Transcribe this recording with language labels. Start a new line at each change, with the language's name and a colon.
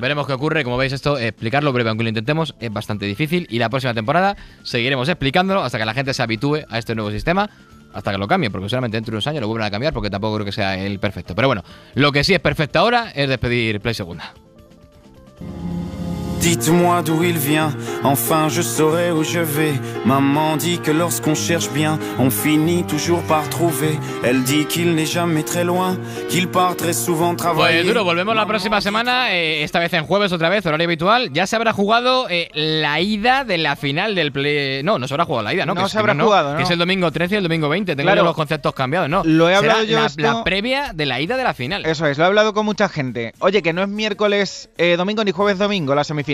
Spanish: Veremos qué ocurre. Como veis, esto, explicarlo breve, aunque lo intentemos, es bastante difícil. Y la próxima temporada seguiremos explicándolo hasta que la gente se habitúe a este nuevo sistema, hasta que lo cambien, porque solamente dentro de unos años lo vuelvan a cambiar, porque tampoco creo que sea el perfecto. Pero bueno, lo que sí es perfecto ahora es despedir Play Segunda.
French: Dites-moi d'où il vient, enfin je saurai où je vais. Maman dit que lorsqu'on cherche bien, on finit toujours par trouver. Elle dit qu'il n'est jamais très loin, qu'il part très souvent travailler.
Spanish: Pues duro, volvemos la próxima semana, esta vez en jueves otra vez, horario habitual. Ya se habrá jugado la ida de la final del play. No se habrá jugado la ida, ¿no? No, que se habrá jugado, ¿no? Que es el domingo 13 y el domingo 20, tengo los conceptos cambiados, ¿no? Lo he hablado Será yo la, esto... la previa de la ida de la final. Eso es, lo he hablado con mucha gente. Oye, que no es miércoles domingo ni jueves domingo la semifinal.